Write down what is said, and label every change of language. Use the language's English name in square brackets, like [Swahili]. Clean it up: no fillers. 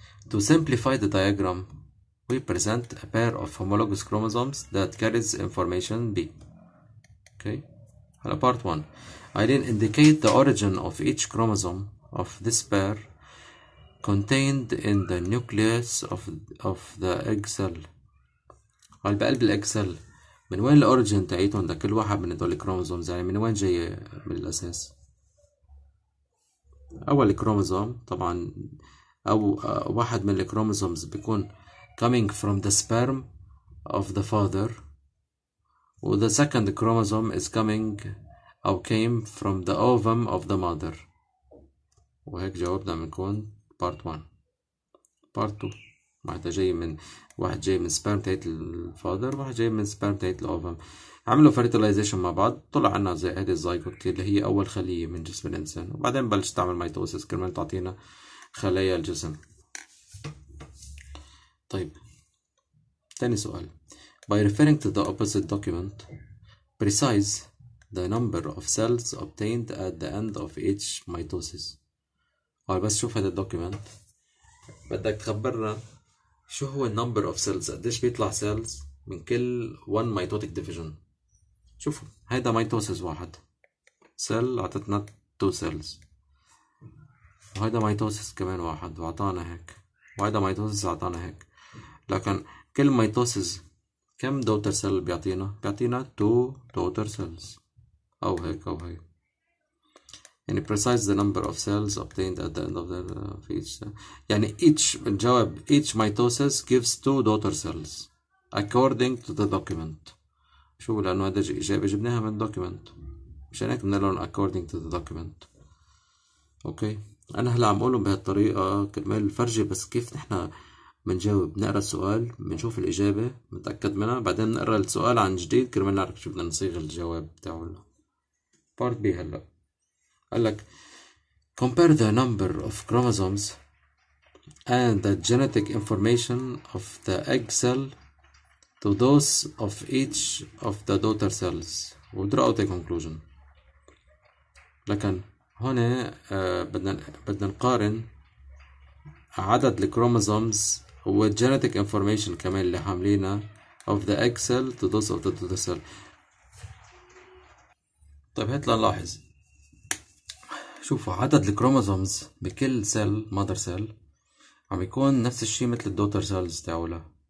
[English] To simplify the diagram we present a pair of homologous chromosomes that carries information B. okay على part 1 I then indicate the origin of each chromosome of this pair contained in the nucleus of the egg cell. [Arabic] قال بقلب الـ XL من وين الـ origin تعيتهم ده كل واحد من دول الكروموزومز يعني من وين جاي من الأساس. أول كروموزوم طبعا أو واحد من الكروموزومز بيكون [English] coming from the sperm of the father, the second chromosome is coming or came from the ovum of the mother. [Arabic] وهيك جاوبنا بنكون part 1. part 2 معناتها جاي من واحد جاي من sperm تاعت الفادر واحد جاي من sperm تاعت الاوفم. عملوا fertilization مع بعض طلع عنا زي هذه الزيجوت اللي هي اول خلية من جسم الانسان, وبعدين بلش تعمل mitosis كرمال تعطينا خلايا الجسم. طيب تاني سؤال. [English] By referring to the opposite document, precise the number of cells obtained at the end of each mitosis. [Arabic] قال بس شوف هذا الدوكيمنت بدك تخبرنا شو هو [English] number of cells, [Arabic] قديش بيطلع cells من كل [English] one mitotic division. [Arabic] شوفوا هذا mitosis واحد cell عطتنا two cells, وهذا mitosis كمان واحد وعطانا هيك, وهذا mitosis عطانا هيك. لكن كل mitosis كم daughter cell بيعطينا؟ بيعطينا [English] two daughter cells [Arabic] أو هيك أو هيك. [English] يعني precise the number of cells obtained at the end of the each يعني each الجواب each mitosis gives two daughter cells according to the document. [Arabic] شو لأنه هذا إجابة جبناها من document مشان هيك بنقول [English] according to the document. [Arabic] أوكي أنا هلا عم أقولهم بهالطريقة كرمال الفرجة بس كيف نحن بنجاوب, نقرأ السؤال بنشوف الإجابة متأكد منها بعدين نقرأ السؤال عن جديد كرمال نعرف شو بدنا نصيغ الجواب بتاعه. [English] part B [Arabic] هلا قالك [English] compare the number of chromosomes and the genetic information of the egg cell to those of each of the daughter cells وdraw the conclusion. [Arabic] لكن هون بدنا نقارن عدد الكروموزومز والجينيتك انفورميشن كمان اللي حاملينها [English] of the egg cell to those of the daughter cell. [Arabic] طيب هات لنلاحظ شوفوا عدد الكروموزومز بكل سيل مادر سيل عم يكون نفس الشيء مثل الدوتر سيلز تاعولها.